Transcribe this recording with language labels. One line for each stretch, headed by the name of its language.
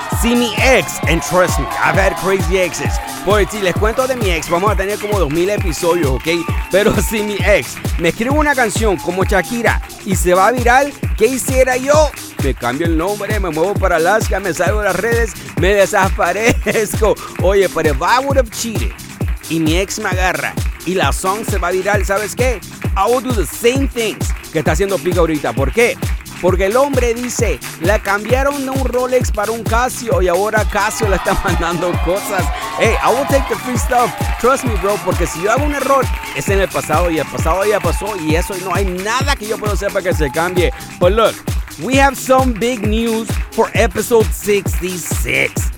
English: See mi ex, and trust me, I've had crazy exes.
Spanish: Pues si les cuento de mi ex, vamos a tener como 2000 episodios, ¿ok? Pero si mi ex me escribe una canción como Shakira y se va viral, ¿qué hiciera yo? Me cambio el nombre, me muevo para Alaska, me salgo de las redes, me desaparezco. Oye, pero if I would have cheated y mi ex me agarra y la song se va viral, ¿sabes qué?
English: I would do the same things que está haciendo Pica ahorita. ¿Por qué?
Spanish: Porque el hombre dice, la cambiaron de un Rolex para un Casio y ahora Casio le está mandando cosas. Hey, I will take the free stuff. Trust me, bro, porque si yo hago un error, es en el pasado ya pasó y eso no hay nada que yo pueda hacer para que se cambie.
English: But look, we have some big news for episode 66.